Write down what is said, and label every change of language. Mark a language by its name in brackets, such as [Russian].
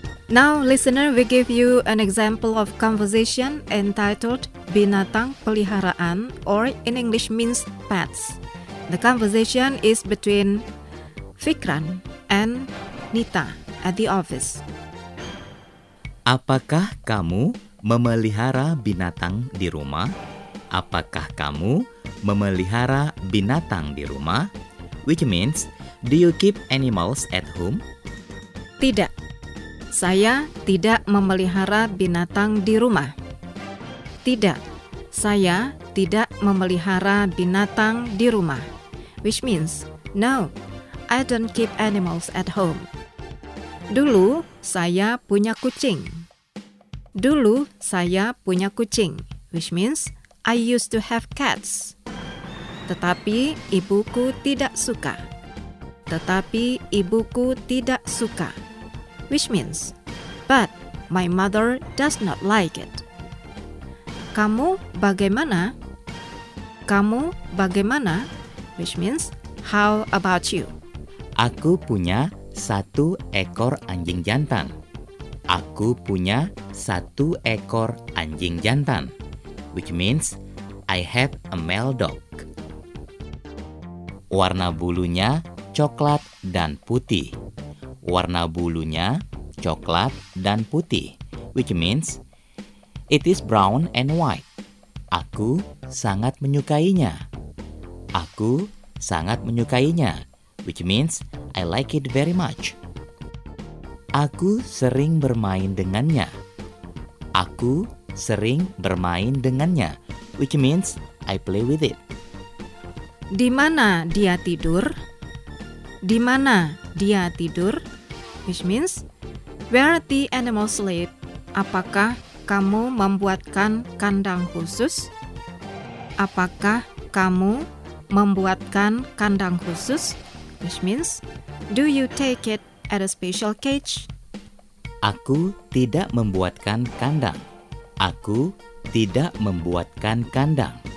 [English] Now, listener, we give you an example of conversation entitled Binatang Peliharaan, or in English means pets. The conversation is between Fikran and Nita at the office. [Indonesian] Apakah kamu memelihara binatang di rumah? Apakah kamu memelihara binatang di rumah? [English] Which means, do you keep animals at home? [Indonesian] Tidak. Saya tidak memelihara binatang di rumah. Tidak. Saya tidak memelihara binatang di rumah. [English] Which means, no, I don't keep animals at home. [Indonesian] Dulu, saya punya kucing. Dulu, saya punya kucing. [English] Which means, I used to have cats. [Indonesian] Tetapi, ibuku tidak suka. Tetapi, ibuku tidak suka. [English] Which means, but my mother does not like it. [Indonesian] Kamu bagaimana? Kamu bagaimana? [English] Which means, how about you? [Indonesian] Aku punya satu ekor anjing jantan. Aku punya satu ekor anjing jantan. [English] Which means, I have a male dog. [Indonesian] Warna bulunya coklat dan putih. Warna bulunya coklat dan putih, [English] which means it is brown and white. [Indonesian] Aku sangat menyukainya. Aku sangat menyukainya, [English] which means I like it very much. [Indonesian] Aku sering bermain dengannya. Aku sering bermain dengannya, [English] which means I play with it. [Indonesian] Di mana dia tidur? Di mana dia tidur? [English] Which means, where the animal sleep? [Indonesian] Apakah kamu membuatkan kandang khusus? Apakah kamu membuatkan kandang khusus? [English] Which means, do you take it at a special cage? [Indonesian] Aku tidak membuatkan kandang. Aku tidak membuatkan kandang.